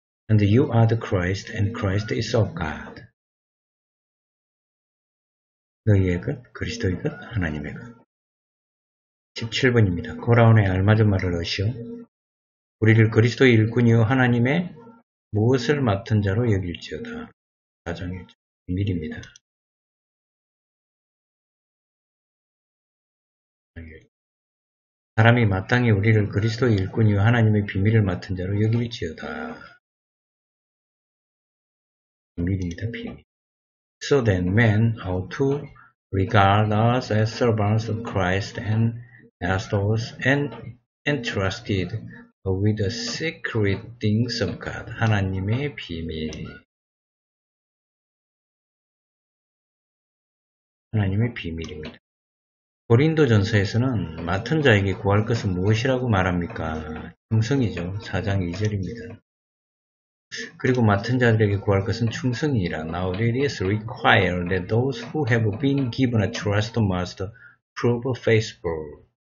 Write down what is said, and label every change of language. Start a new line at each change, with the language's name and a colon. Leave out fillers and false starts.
English: And you are the Christ, and Christ is of God.
Korean: 너희의 것, 그리스도의 것, 하나님의 것. 17번입니다. 고라온에 알맞은 말을 넣으시오. 우리를 그리스도의 일꾼이요 하나님의 무엇을 맡은 자로 여길지어다. 4장의 비밀입니다. 사람이 마땅히 우리를 그리스도의 일꾼이요 하나님의 비밀을 맡은 자로 여길지어다. 비밀입니다. 비밀.
English: So then men ought to regard us as servants of Christ and as those and entrusted with the secret things of God.
Korean: 하나님의 비밀. 하나님의 비밀입니다. 고린도전서에서는 맡은 자에게 구할 것은 무엇이라고 말합니까? 충성이죠. 4장 2절입니다. 그리고 맡은 자들에게 구할 것은 충성이라.
English: Now it is required that those who have been given a trust must prove faithful.